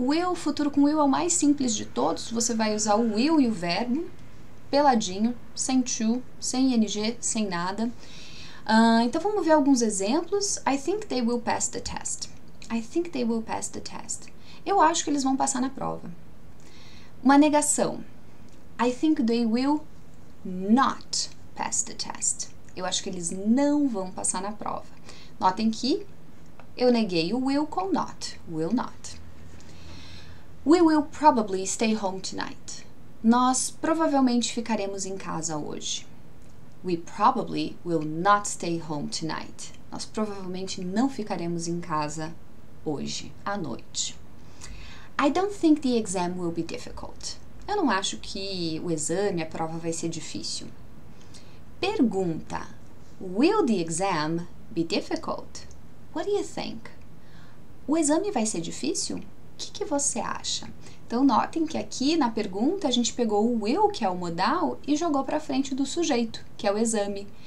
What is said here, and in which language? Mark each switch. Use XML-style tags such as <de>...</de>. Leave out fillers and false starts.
<pt>O futuro com will é o mais simples de todos. Você vai usar o will e o verbo peladinho, sem to, sem ing, sem nada. Então, vamos ver alguns exemplos.</pt> <en>I think they will pass the test. I think they will pass the test.</en> <pt>Eu acho que eles vão passar na prova. Uma negação.</pt> <en>I think they will not pass the test.</en> <pt>Eu acho que eles não vão passar na prova. Notem que eu neguei o will com not. Will not.</pt> <en>We will probably stay home tonight.</en> <pt>Nós provavelmente ficaremos em casa hoje.</pt> <en>We probably will not stay home tonight.</en> <pt>Nós provavelmente não ficaremos em casa hoje à noite.</pt> <en>I don't think the exam will be difficult.</en> <pt>Eu não acho que o exame, a prova vai ser difícil.</pt> <en>Pergunta: Will the exam be difficult? What do you think?</en> <pt>O exame vai ser difícil? O que que você acha? Então, notem que aqui na pergunta a gente pegou o will, que é o modal, e jogou para frente do sujeito, que é o exame.</pt>